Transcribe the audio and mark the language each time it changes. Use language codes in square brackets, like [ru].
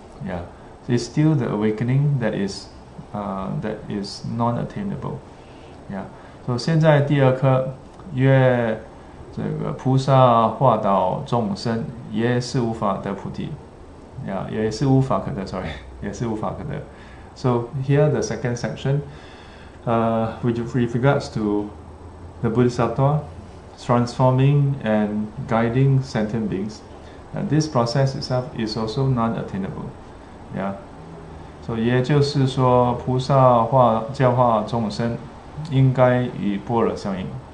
[en] Yeah, it's still the awakening that is non-attainable. Yeah. [zh] So 现在第二颗, 这个菩萨化导众生, 也是无法得菩提. Yeah, 也是无法可得, sorry, 也是无法可得. [en] So here the second section, with regards to the Bodhisattva transforming and guiding sentient beings, this process itself is also non-attainable. [zh] So 也就是说, 菩萨化教化众生, 应该与般若相应.